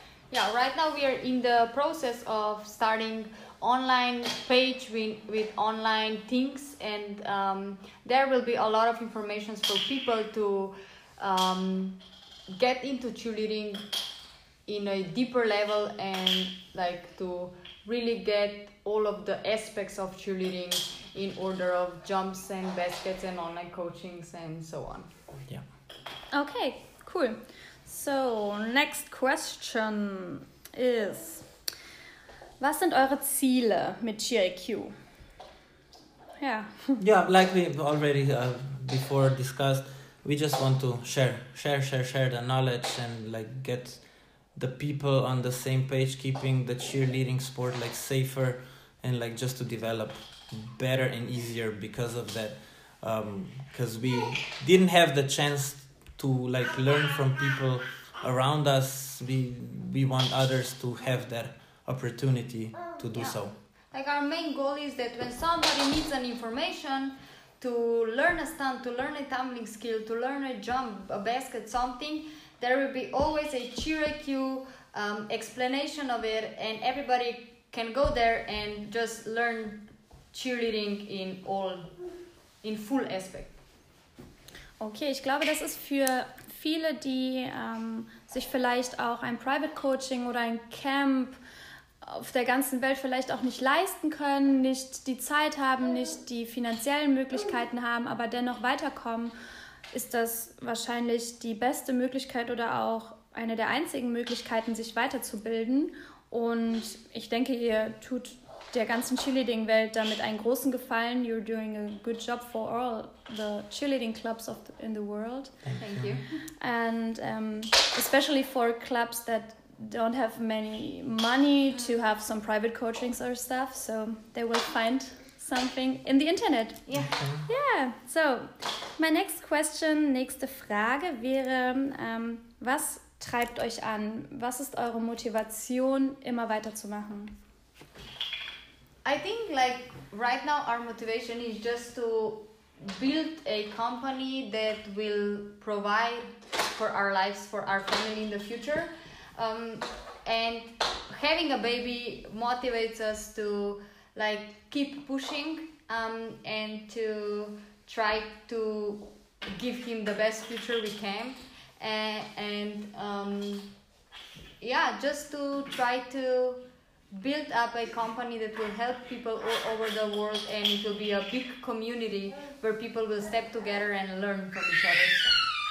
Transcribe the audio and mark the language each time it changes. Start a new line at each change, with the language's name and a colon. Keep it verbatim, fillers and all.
English: Yeah, right now we are in the process of starting online page with, with online things, and um, there will be a lot of information for people to um, get into cheerleading in a deeper level and like to really get all of the aspects of cheerleading in order of jumps and baskets and online coachings and so on. Yeah. Okay, cool. So, next question is,
German: was sind eure Ziele mit J I Q?
English: Yeah. Yeah, like we already uh, before discussed, we just want to share, share, share, share the knowledge and like get the people on the same page, keeping the cheerleading sport like safer and like just to develop better and easier because of that, because um, we didn't have the chance to like learn from people around us. We we want others to have that opportunity to do. Yeah. So like our main goal is that when somebody needs an information to learn a stunt, to learn a tumbling skill, to learn a jump, a basket, something, there will be always a J I Q um, explanation of it, and everybody can go there and just learn cheerleading in all, in full aspect.
German: Okay, ich glaube, das ist für viele, die ähm, sich vielleicht auch ein Private Coaching oder ein Camp auf der ganzen Welt vielleicht auch nicht leisten können, nicht die Zeit haben, nicht die finanziellen Möglichkeiten haben, aber dennoch weiterkommen, ist das wahrscheinlich die beste Möglichkeit oder auch eine der einzigen Möglichkeiten, sich weiterzubilden. Und ich denke, ihr tut der ganzen Cheerleading-Welt damit einen großen Gefallen.
English: You're doing a good job for all the cheerleading clubs of the, in the world. Thank you. And um, especially for clubs that don't have many money to have some private coachings or stuff, so they will find something in the internet. Yeah. Yeah. So, my next question,
German: nächste Frage wäre, ähm, was treibt euch an? Was ist eure Motivation, immer weiterzumachen?
English: I think like right now our motivation is just to build a company that will provide for our lives, for our family in the future. Um, and having a baby motivates us to like keep pushing um, and to try to give him the best future we can, and, and um, yeah, just to try to build up a company that will help people all over the world, and it will be a big community where people will step together and learn from each other.